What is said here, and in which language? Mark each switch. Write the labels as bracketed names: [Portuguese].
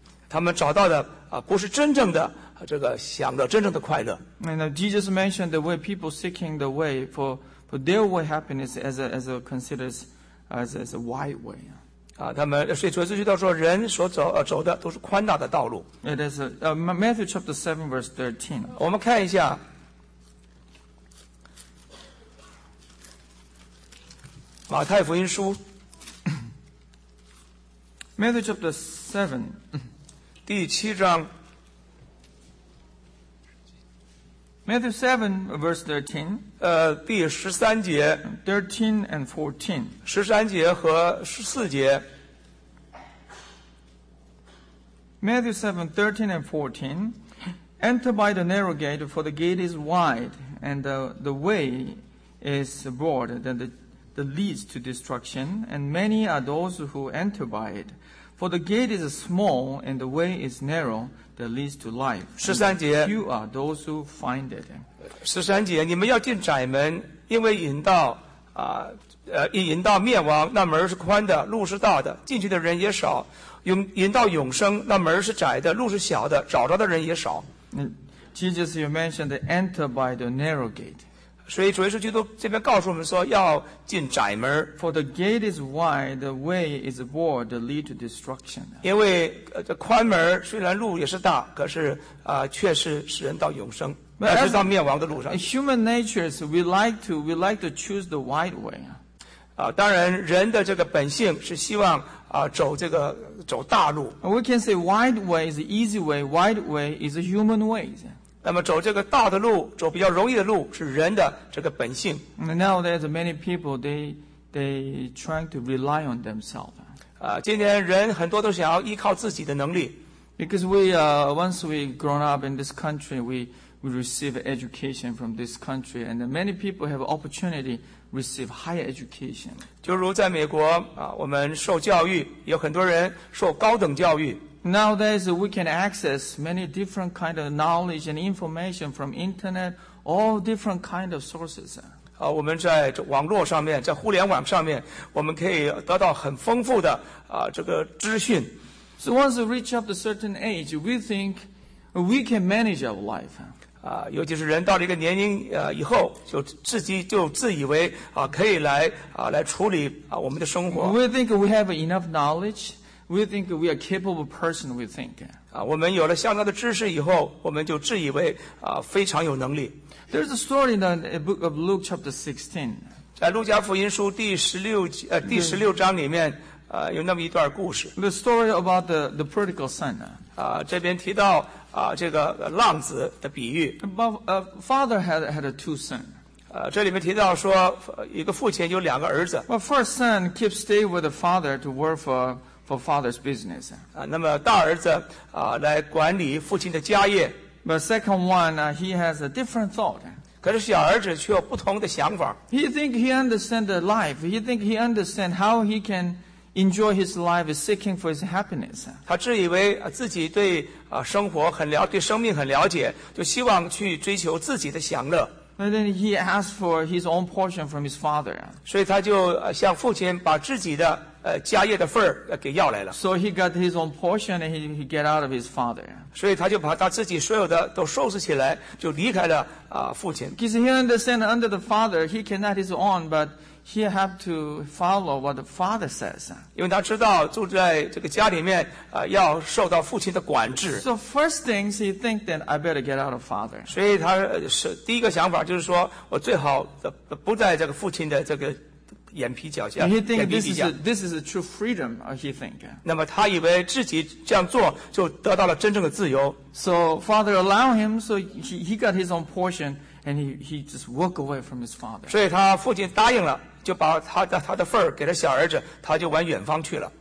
[Chinese] 他们找到的不是真正的这个享乐，真正的快乐。 [English] And Jesus mentioned the way people seeking the way for their way happiness as a considers. As a wide way. [Chinese] 他们所以主耶稣基督说，人所走的都是宽大的道路。 [English] It is Matthew chapter 7 verse 13. [Chinese] 我们看一下，马太福音书。 [English] Matthew chapter 7, [Chinese] 第七章。 [English] Matthew 7, verse 13. [Chinese] 第十三节。 [English] 13 and 14. [Chinese] 十三节和十四节。 [English] Matthew 7, 13 and 14. Enter by the narrow gate, for the gate is wide, and the way is broad, that the leads to destruction, and many are those who enter by it. For the gate is small, and the way is narrow. That leads to life. [Chinese] 十三节 [English] ，You are those who find it. [Chinese] 十三节，你们要进窄门，因为引道引道灭亡，那门是宽的，路是大的，进去的人也少。引道永生，那门是窄的，路是小的，找着的人也少。 [English] Jesus, you mentioned enter by the narrow gate. [Chinese] 所以主耶稣基督这边告诉我们说，要进窄门。 [English] For the gate is wide, the way is broad, that lead to destruction. [Chinese] 因为这宽门虽然路也是大，可是却是使人到永生，而是到灭亡的路上。 [English] Human nature is we like to choose the wide way. [Chinese] 当然人的这个本性是希望走大路。 [English] We can say wide way is the easy way. Wide way is a human way. [Chinese] 那么走这个大的路，走比较容易的路，是人的这个本性。 [English] Nowadays, many people they trying to rely on themselves. [Chinese] 今天人很多都想要依靠自己的能力。 [English] Because once we grown up in this country, we receive education from this country, and many people have opportunity receive higher education. [Chinese] 就如在美国我们受教育，有很多人受高等教育。 [English] Nowadays, we can access many different kind of knowledge and information from internet, all different kind of sources. [Chinese] 我们在网络上面，在互联网上面，我们可以得到很丰富的这个资讯。 [English] So once we reach up to certain age, we think we can manage our life. [Chinese] 尤其是人到了一个年龄以后，就自己就自以为可以来处理我们的生活。 [English] We think we have enough knowledge. We think we are capable person. We think. [Chinese] 我们有了相当的知识以后，我们就自以为非常有能力。 [English] There's a story in the book of Luke chapter 16. [Chinese] 在路加福音书第十六第十六章里面有那么一段故事。 [English] The story about the prodigal son. [Chinese] 这边提到这个浪子的比喻。 [English] But father had two sons. [Chinese] 这里面提到说一个父亲有两个儿子。 [English] But first son keeps stay with the father to work for father's business. [Chinese] 那么大儿子来管理父亲的家业。 [English] But second one, he has a different thought. [Chinese] 可是小儿子却有不同的想法。 [English] He think he understand the life. He think he understand how he can enjoy his life, seeking for his happiness. [Chinese] 他自以为自己对生活很了，对生命很了解，就希望去追求自己的享乐。 [English] And then he asked for his own portion from his father. [Chinese] 所以他就向父亲把自己的家业的份给要来了。 [English] So he got his own portion and he get out of his father. [Chinese] 所以他就把他自己所有的都收拾起来，就离开了父亲。 [English] Because he understand under the father, he cannot his own, but he have to follow what the father says. [Chinese] 因为他知道住在这个家里面要受到父亲的管制。 [English] So first thing he think that I better get out of father. [Chinese] 所以他是第一个想法就是说我最好不在这个父亲的这个眼皮脚下。 [English] He think this is a true freedom, he think. [Chinese] 那么他以为自己这样做就得到了真正的自由。 [English] So father allow him, so he got his own portion, and he just walk away from his father. [Chinese] 所以他父亲答应了，就把他的份给了小儿子，他就往远方去了。